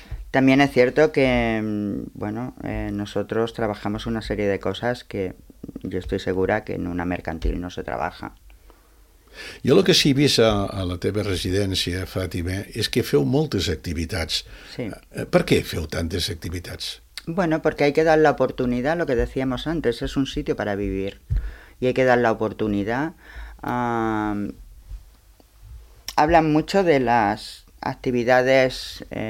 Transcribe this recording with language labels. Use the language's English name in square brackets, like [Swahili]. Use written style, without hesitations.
[Spanish] También es cierto que, bueno, nosotros trabajamos una serie de cosas que yo estoy segura que en una mercantil no se trabaja. [Catalan] Jo el que sí he vist a la teva residència, Fàtima, és que feu moltes activitats. Sí. Per què feu tantes activitats? [Spanish] Bueno, porque hay que dar la oportunidad, lo que decíamos antes, es un sitio para vivir. Y hay que dar la oportunidad. Hablan mucho de las actividades...